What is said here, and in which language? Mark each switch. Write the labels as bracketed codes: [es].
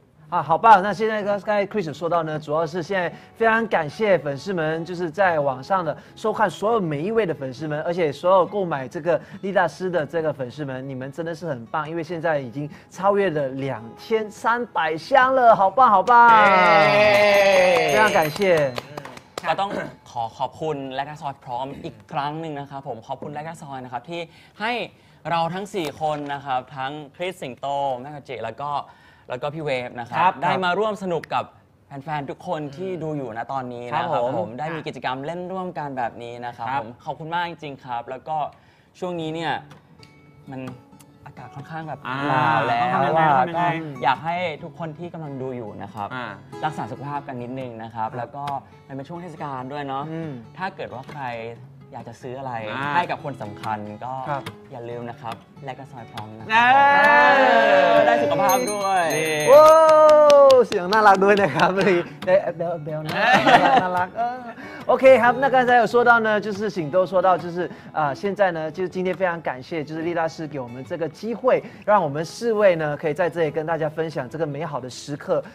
[zh] 啊，好棒！那现在刚才 Chris 说到呢，主要是现在非常感谢粉丝们，就是在网上的收看所有每一位的粉丝们，而且所有购买这个丽大师的这个粉丝们，你们真的是很棒，因为现在已经超越了2300箱了，好棒好棒！ Hey. 非常感谢。 [th] ก็ต้องขอขอบคุณและก็ซอยพร้อมอีกครั้งหนึ่งนะครับผมขอบคุณและก็ซอยนะครับที่ให้เราทั้ง4คนนะครับทั้งคริสสิงโตแม่กระเจแล้วก็พี่เวฟนะครับได้มาร่วมสนุกกับแฟนๆทุกคนที่ดูอยู่นะตอนนี้นะครับผมได้มีกิจกรรมเล่นร่วมกันแบบนี้นะครับผมขอบคุณมากจริงๆครับแล้วก็ช่วงนี้เนี่ย มันอากาศค่อนข้างแบบหนาวแล้วก็อยากให้ทุกคนที่กำลังดูอยู่นะครับรักษาสุขภาพกันนิดนึงนะครับแล้วก็มันเป็นช่วงเทศกาลด้วยเนาะถ้าเกิดว่าใครอยากจะซื้ออะไรให้กับคนสำคัญก็อย่าลืมนะครับและก็ซอยพร้อมนะได้สุขภาพด้วย โอ้เสียงน่ารักด้วยนะครับเบลน่ารัก [zh] OK， 好，那刚才有说到呢，就是醒都说到，就是现在呢，就是今天非常感谢，就是丽大师给我们这个机会，让我们四位呢可以在这里跟大家分享这个美好的时刻。